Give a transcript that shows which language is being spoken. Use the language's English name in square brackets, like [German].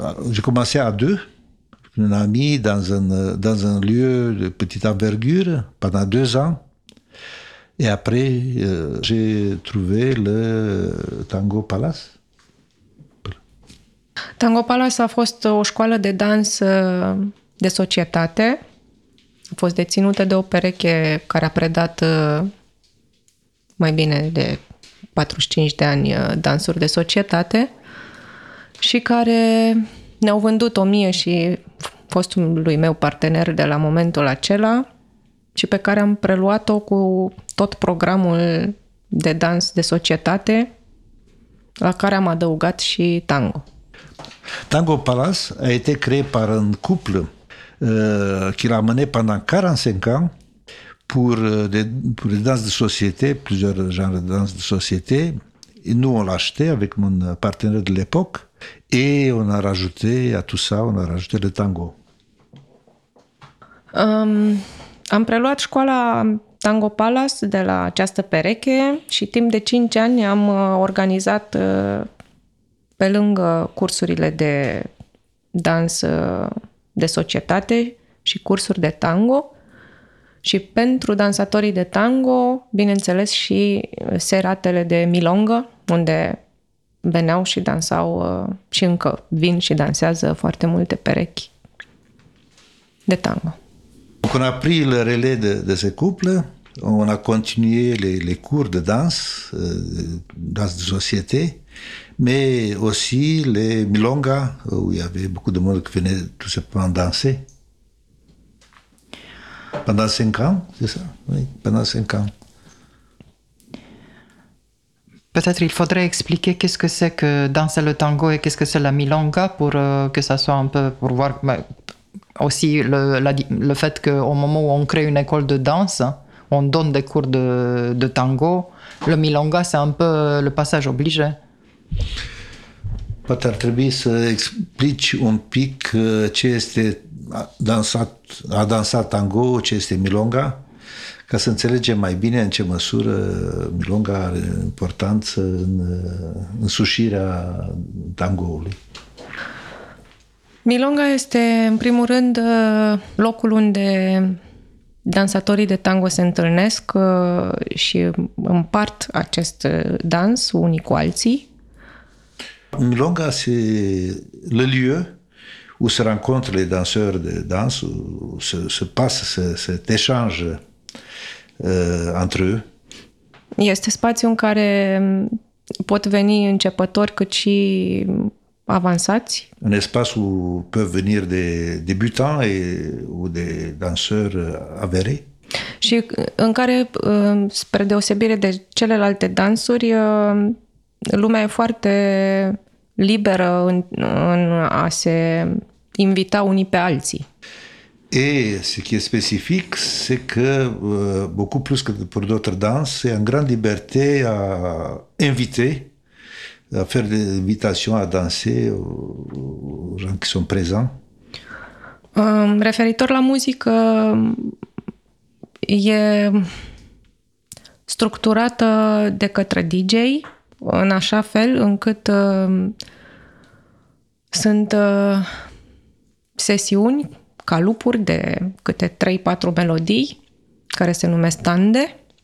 [French] J'ai commencé à deux, avec un ami, dans un lieu de petite envergure, pendant 2 ans. Et après, j'ai trouvé le Tango Palace. [Romanian] Tango Palace a fost o școală de dans de societate. A fost deținută de o pereche care a predat mai bine de 45 de ani dansuri de societate și care ne-au vândut o mie și fostului meu partener de la momentul acela și pe care am preluat-o cu tot programul de dans de societate la care am adăugat și tango. [French] Tango Palace a été créé par un couple qui l'a mené pendant 45 ans pour des danses de société, plusieurs genres de danses de société. Et nous, on l'a acheté avec mon partenaire de l'époque et on a rajouté à tout ça, on a rajouté le tango. [Romanian] Am preluat școala Tango Palace de la această pereche și timp de 5 ani am organizat pe lângă cursurile de dans de societate și cursuri de tango și pentru dansatorii de tango, bineînțeles, și seratele de milongă, unde veneau și dansau și încă vin și dansează foarte multe perechi de tango. [French] Când a pris le relais de ce couple, on a continué les cours de danse, danse de société, mais aussi les milonga, où il y avait beaucoup de monde qui venait tout simplement danser. Pendant 5 ans, c'est ça? Oui, pendant 5 ans. Peut-être il faudrait expliquer qu'est-ce que c'est que danser le tango et qu'est-ce que c'est la milonga pour que ça soit un peu, pour voir aussi le fait qu'au moment où on crée une école de danse, on donne des cours de tango, le milonga c'est un peu le passage obligé. [Romanian] Poate ar trebui să explici un pic ce este a dansat tango, ce este milonga, ca să înțelegem mai bine în ce măsură milonga are importanță în însușirea tangoului. Milonga este, în primul rând, locul unde dansatorii de tango se întâlnesc și împart acest dans unii cu alții. [French] Milonga, c'est le lieu où se rencontrent les danseurs de danse, où se passe cet échange entre eux. [Romanian] Este spațiu în care pot veni începători cât și avansați. [French] Un espace où peuvent venir des débutants et ou des danseurs avérés. [Romanian] Și în care, spre deosebire de celelalte dansuri, lumea e foarte liberă în a se invita unii pe alții. [French] Et ce qui est spécifique, c'est que beaucoup plus que pour d'autres danses, c'est une grande liberté à inviter, à faire des invitations à danser aux gens qui sont présents. [Romanian] Referitor la muzică, e structurată de către DJ în așa fel încât sunt sesiuni, calupuri de câte 3-4 melodii care se numesc tande.